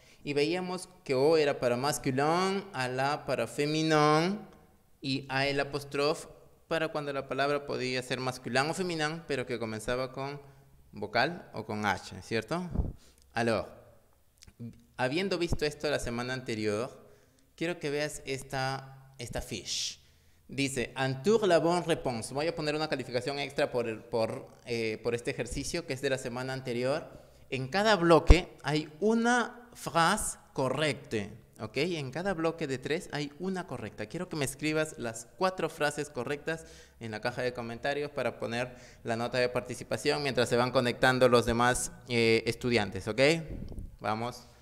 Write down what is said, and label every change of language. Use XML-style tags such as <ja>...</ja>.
<es>Y veíamos que o era para masculin, a la para féminin y a el apostrofe para cuando la palabra podía ser masculin o féminin, pero que comenzaba con vocal o con h, ¿cierto? Alors, habiendo visto esto la semana anterior, quiero que veas esta fiche. Dice,</es> <fr>entour la bonne réponse.</fr> <es>Voy a poner una calificación extra por este ejercicio que es de la semana anterior. En cada bloque hay una frase correcta, ¿ok? En cada bloque de tres hay una correcta. Quiero que me escribas las cuatro frases correctas en la caja de comentarios para poner la nota de participación mientras se van conectando los demás estudiantes, ¿ok? Vamos.</es>